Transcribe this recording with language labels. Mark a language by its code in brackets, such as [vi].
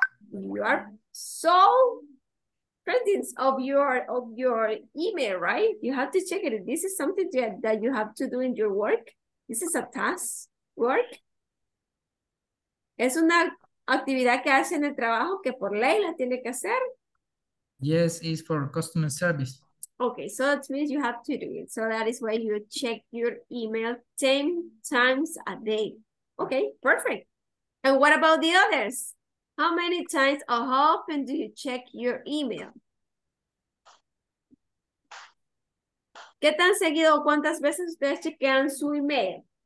[en] You are so presence of your email, right? You have to check it. This is something that you have to do in your work. This is a task, work. [es] Es una actividad que hace en el trabajo que por ley la tiene que hacer. [en] Yes, it's for customer service. Okay, so that means you have to do it. So that is why you check your email 10 times a day. Okay, perfect. And what about the others? How many times or how often do you check your email? [es] ¿Qué tan seguido o cuántas veces ustedes chequean su email?